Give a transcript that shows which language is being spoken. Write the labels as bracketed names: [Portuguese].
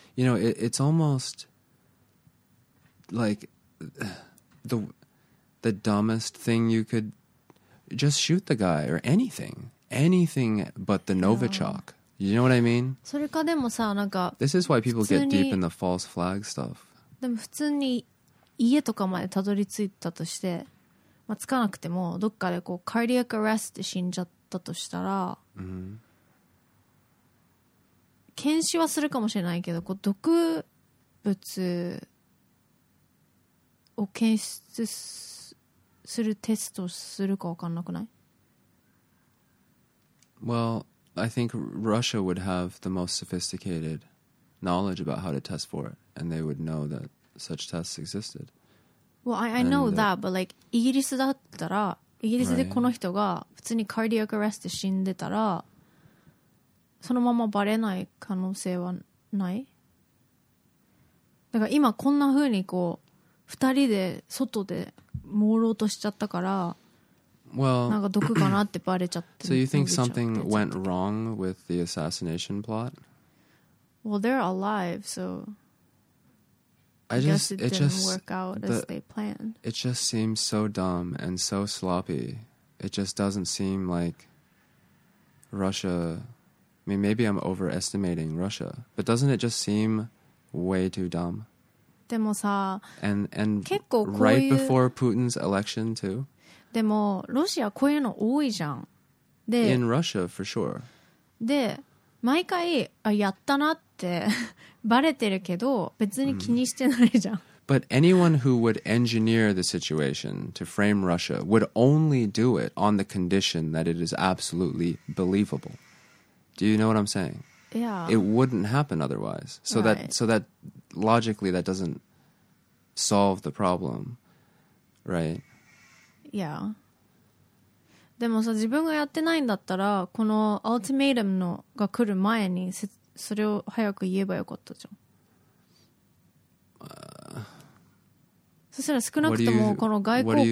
[English] You know, it's almost like the dumbest thing you could just shoot the guy or anything but the Novichok. You know what I mean? [Japanese] それかでもさ、なんか、 [English] This is why people get deep in the false flag stuff. [Japanese] でも普通に家とかまでたどり着いたとして、まあ、つかなくてもどっかでこうカーディアックアレストで死んじゃったとしたら、 mm-hmm. 検視はするかもしれないけど、こう毒物を検出するテストするか分かんなくない？ [English] Well, I think Russia would have the most sophisticated knowledge about how to test for it, and they would know that such tests existed. Well, I know that, but like, [Japanese] イギリスだったら、イギリスでこの人が普通にカーディアックアレストで死んでたら、そのままバレない可能性はない？だから今こんな風にこう、二人で外で朦朧としちゃったから、 well, なんか毒かなってバレちゃって。 [English] So you think something went wrong with the assassination plot? Well, they're alive, so... I just, guess it didn't just, work out as they planned. It just seems so dumb and so sloppy. It just doesn't seem like Russia... I mean, maybe I'm overestimating Russia. But doesn't it just seem way too dumb? [Japanese] でもさ、 [English] and [Japanese] 結構こういう... [English] right before Putin's election, too? [Japanese] でも、ロシアこういうの多いじゃん。で、 [English] in Russia, for sure. [Japanese] で、毎回、あ、やったなって バレてるけど別に気にしてないじゃん、mm. [English] But anyone who would engineer the situation to frame Russia would only do it on the condition that it is absolutely believable. Do you know what I'm saying? Yeah. It wouldn't happen otherwise. So, right. so that logically that doesn't solve the problem, right? Yeah. [Japanese] でもさ、自分がやってないんだったらこのアルティメイタムのが来る前にそれを早く言えばよかったじゃん。そしたら少なくともこの外交